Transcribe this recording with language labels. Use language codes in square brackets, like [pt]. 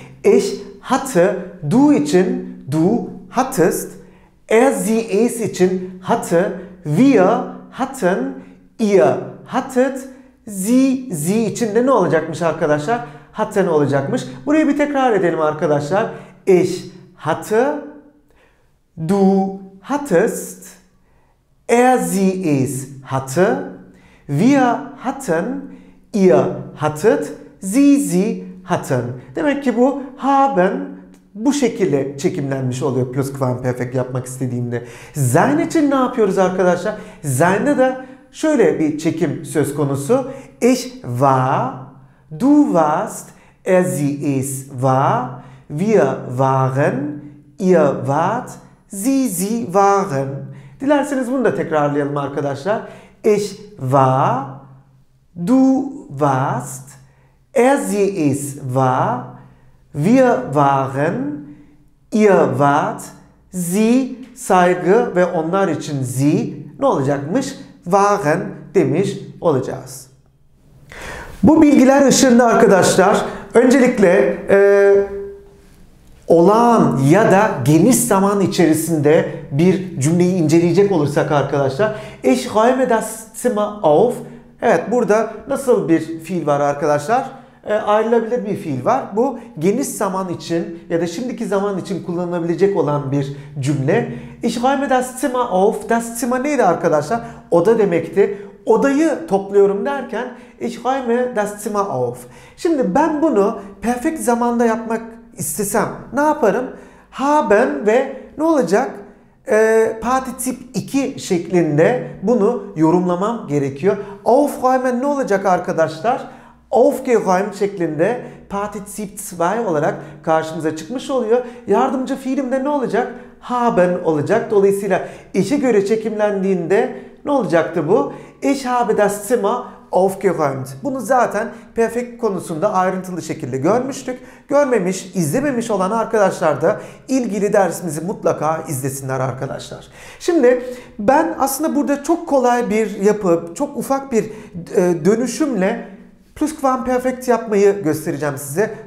[de] Ich hatte, du için du hattest, er, sie, es için hatte, wir hatten, ihr hattet, sie [tr] için de ne olacakmış arkadaşlar? [de] Hatten [tr] olacakmış. Burayı bir tekrar edelim arkadaşlar. [de] Ich hatte, du hattest, er, sie, es hatte, wir hatten, ihr hattet, sie hatten. [tr] Demek ki bu haben bu şekilde çekimlenmiş oluyor plusquamperfekt yapmak istediğimde. Sein için ne yapıyoruz arkadaşlar? Sein'de de şöyle bir çekim söz konusu. [de] Ich war, du warst, er, sie, es war, wir waren, ihr wart, sie waren. [tr] Dilerseniz bunu da tekrarlayalım arkadaşlar. [de] Ich war, du warst, er, sie, es war, wir waren, ihr wart, sie, [tr] saygı ve onlar için [de] sie ne olacakmış? [tr] Waren demiş olacağız. Bu bilgiler ışığında arkadaşlar öncelikle olağan ya da geniş zaman içerisinde bir cümleyi inceleyecek olursak arkadaşlar. [de] Ich räume das Zimmer auf. [tr] Evet, burada nasıl bir fiil var arkadaşlar? Ayrılabilir bir fiil var. Bu geniş zaman için ya da şimdiki zaman için kullanılabilecek olan bir cümle. [de] Ich räume das Zimmer auf. [tr] Das Zimmer neydi arkadaşlar? Oda demekti. Odayı topluyorum derken [de] ich räume das Zimmer auf. [tr] Şimdi ben bunu perfekt zamanda yapmak istesem ne yaparım? Haben ve ne olacak? Partizip 2 şeklinde bunu yorumlamam gerekiyor. Aufräumen ne olacak arkadaşlar? Aufgeräumt şeklinde Partizip 2 olarak karşımıza çıkmış oluyor. Yardımcı fiilimde ne olacak? Haben olacak. Dolayısıyla işe göre çekimlendiğinde ne olacaktı bu? [de] Ich habe das Zimmer aufgeräumt. [tr] Bunu zaten perfekt konusunda ayrıntılı şekilde görmüştük. Görmemiş, izlememiş olan arkadaşlar da ilgili dersimizi mutlaka izlesinler arkadaşlar. Şimdi ben aslında burada çok kolay bir yapı, çok ufak bir dönüşümle plusquamperfekt yapmayı göstereceğim size.